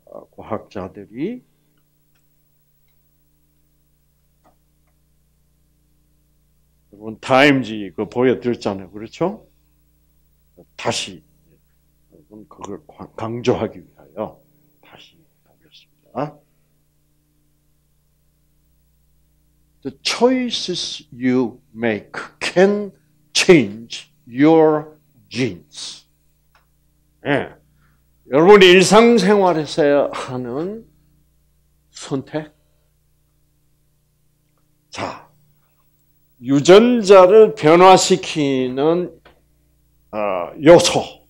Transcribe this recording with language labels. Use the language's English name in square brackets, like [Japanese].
[Korean] 과학자들이 여러분 타임지 그 보여드렸잖아요. 그렇죠? 다시 여러분 그걸 강조하기 위하여 다시 보겠습니다. [English] The choices you make can change your genes. [Korean] 예. 여러분 일상생활에서 하는 선택. 자, 유전자를 변화시키는 요소.